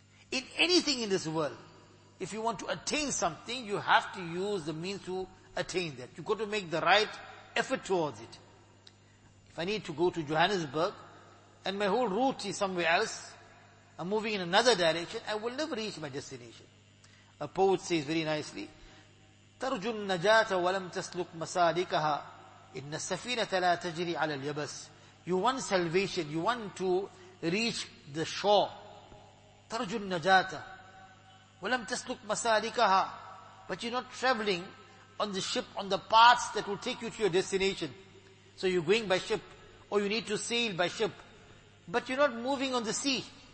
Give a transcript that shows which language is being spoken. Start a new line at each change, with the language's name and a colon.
English: In anything in this world, if you want to attain something, you have to use the means to attain that. You've got to make the right effort towards it. If I need to go to Johannesburg, and my whole route is somewhere else, I'm moving in another direction, I will never reach my destination. A poet says very nicely,
Arabic: تَرْجُ النَّجَاةَ وَلَمْ تَسْلُكْ مَسَادِكَهَا إِنَّ السَّفِينَةَ لَا تَجْرِي عَلَى الْيَبَسِ.
English: You want salvation, you want to reach the shore.
Arabic: تَرْجُ النَّجَاةَ وَلَمْ تَسْلُكْ مَسَادِكَهَا.
English: But you're not traveling on the ship, on the paths that will take you to your destination. So you're going by ship, or you need to sail by ship. But you're not moving on the sea.